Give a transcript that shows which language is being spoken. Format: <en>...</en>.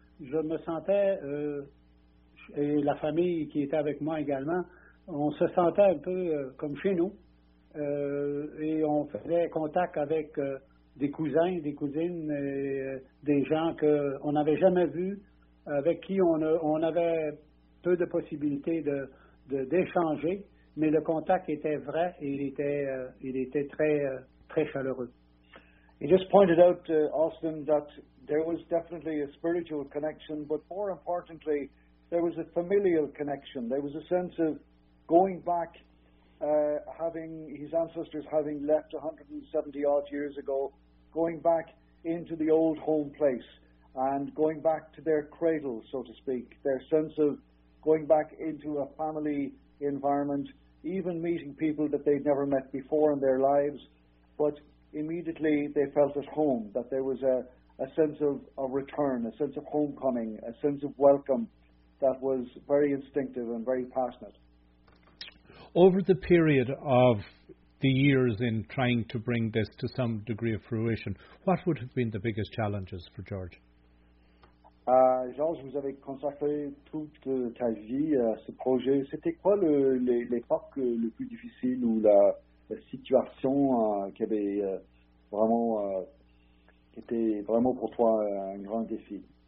<fr>Je me sentais, et la famille qui était avec moi également, on se sentait un peu comme chez nous, et on faisait contact avec des cousins, des cousines, et, des gens qu'on n'avait jamais vus, avec qui on avait peu de possibilités d'échanger, mais le contact était vrai et il était très, très chaleureux.</fr> <en>He just pointed out, Austin, that there was definitely a spiritual connection, but more importantly, there was a familial connection. There was a sense of going back, having his ancestors having left 170 odd years ago, going back into the old home place, and going back to their cradle, so to speak, their sense of going back into a family environment, even meeting people that they'd never met before in their lives, but immediately they felt at home, that there was a sense of return, a sense of homecoming, a sense of welcome that was very instinctive and very passionate. Over the period of the years in trying to bring this to some degree of fruition, what would have been the biggest challenges for George?</en> <fr>George, vous avez consacré toute ta vie à ce projet. C'était quoi l'époque le plus difficile ou la situation qui avait vraiment était vraiment pour toi un grand défi?</fr>